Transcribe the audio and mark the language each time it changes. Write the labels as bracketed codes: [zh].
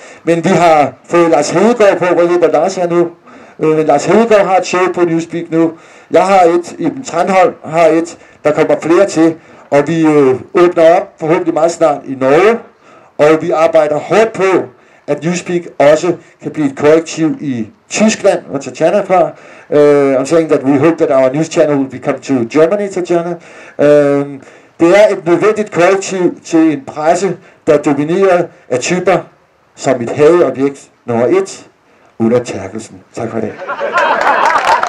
[da] Men vi har fået Lars Hedegaard på, hvor lige Lars er nu. Lars Hedegaard har et show på Newspeak nu. Jeg har et, Iben Trandholm har et, der kommer flere til. Og vi åbner op forhåbentlig meget snart i Norge. Og vi arbejder hårdt på, at Newspeak også kan blive et korrektiv i Tyskland, hvor Tatjana er fra. [en] I'm saying that we hope that our news channel will become to Germany, Tatjana. [da] Det er et nødvendigt korrektiv til en presse, der er domineret af typer som et hadeobjekt nummer 1. Ulla Terkelsen. Tak for det.